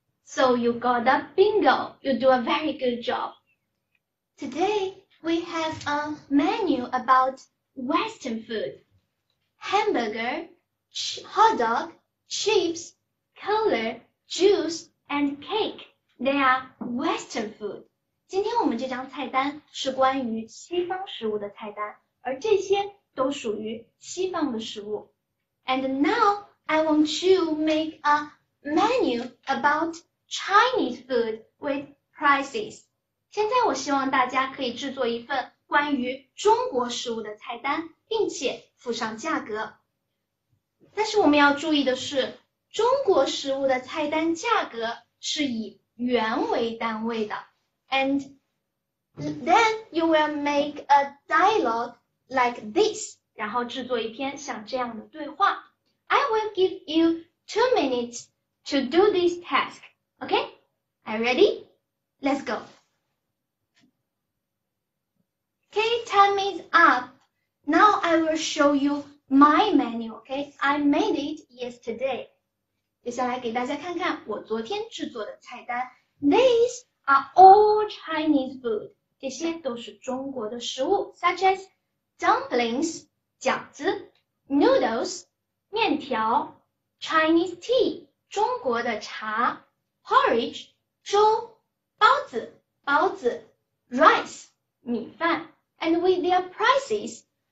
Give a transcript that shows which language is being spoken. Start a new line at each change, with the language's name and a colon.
English: So you got a bingo. You do a very good job. Today, we have a menu about Western food. Hamburger, hot dog, chips, cola, juice, and cake. They are Western food.
Chinese: 今天我们这张菜单是关于西方食物的菜单，而这些都属于西方的食物。
English: And now, I want to make a menu about Chinese food with prices.
Chinese: 现在我希望大家可以制作一份关于中国食物的菜单，并且附上价格。但是我们要注意的是，中国食物的菜单价格是以元为单位的。
English: And then you will make a dialogue like this.
Chinese: 然后制作一篇像这样的对话。
English: I will give you 2 minutes to do this task. Okay? Are you ready? Let's go. Okay, time is up. Now I will show you my menu. Okay? I made it yesterday.
Chinese: 接下来给大家看看我昨天制作的菜单。
English: These are all Chinese food.
Chinese: 这些都是中国的食物
English: such as dumplings,
Chinese: 饺子
English: noodles,
Chinese: 面条
English: Chinese tea,
Chinese: 中国的茶
English: porridge,
Chinese: 粥包子
English: rice,
Chinese: 米饭
English: and with their prices,